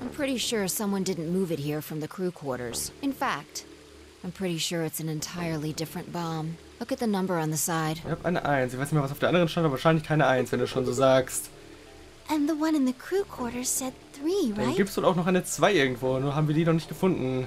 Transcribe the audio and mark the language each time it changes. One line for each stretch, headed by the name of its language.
English: I'm pretty sure someone didn't move it here from the crew quarters. In fact, I'm pretty sure it's an entirely different bomb. Look at the number on the side.
German: Ich hab eine 1. Ich weiß nicht mehr, was auf der anderen stand, aber wahrscheinlich keine 1, wenn du schon so sagst.
English: And the one in the crew quarters said 3, right?
German: Dann gibt's wohl auch noch eine 2 irgendwo, nur haben wir die noch nicht gefunden.